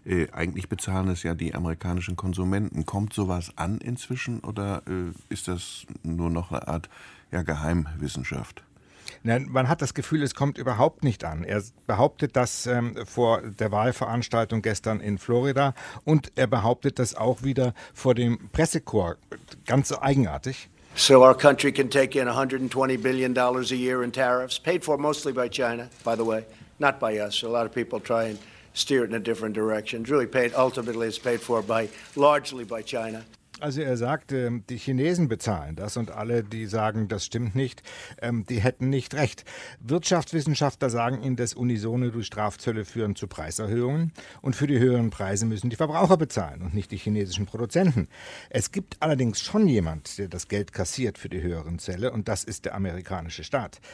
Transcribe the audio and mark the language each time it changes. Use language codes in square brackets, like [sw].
[de] Eigentlich bezahlen es ja die amerikanischen Konsumenten. Kommt sowas an inzwischen oder ist das nur noch eine Art Geheimwissenschaft? Nein, man hat das Gefühl, es kommt überhaupt nicht an. Er behauptet das vor der Wahlveranstaltung gestern in Florida und er behauptet das auch wieder vor dem Pressekorps. Ganz eigenartig. [en] So our country can take in $120 billion a year in tariffs, paid for mostly by China, by the way, not by us. A lot of people try and steer it in a different direction. It's really paid, ultimately it's paid for by, largely by China. [de] Also er sagt, die Chinesen bezahlen das und alle, die sagen, das stimmt nicht, die hätten nicht recht. Wirtschaftswissenschaftler sagen ihnen, dass unisono durch Strafzölle führen zu Preiserhöhungen und für die höheren Preise müssen die Verbraucher bezahlen und nicht die chinesischen Produzenten. Es gibt allerdings schon jemand, der das Geld kassiert für die höheren Zölle und das ist der amerikanische Staat.